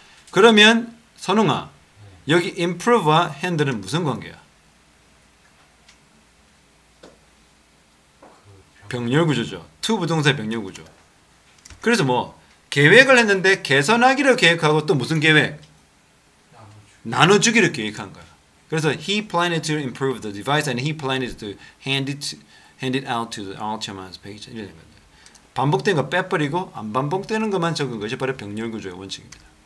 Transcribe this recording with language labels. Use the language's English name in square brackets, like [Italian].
[Korean] 그러면 선웅아, 여기 improve와 hand는 무슨 관계야? 병렬 구조죠. to 부동사의 병렬 구조. 그래서 뭐 계획을 했는데 개선하기로 계획하고 또 무슨 계획? 나눠주기로 계획한 거야. 그래서 [English] he planned to improve the device and he planned to hand it out to the Alchemist page. [Korean] 이런 거 반복된 거 빼버리고 안 반복되는 것만 적은 것이 바로 병렬 구조의 원칙입니다.